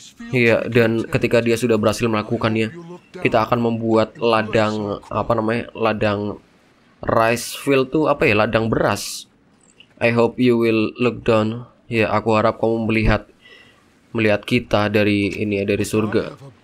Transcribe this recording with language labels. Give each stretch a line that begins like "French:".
Indonesian: Iya, dan ketika dia sudah berhasil melakukannya, kita akan membuat ladang ladang
English: rice field
Indonesian: tuh ladang beras.
English: I hope you will look down.
Indonesian: Ya, aku harap kamu melihat kita dari surga.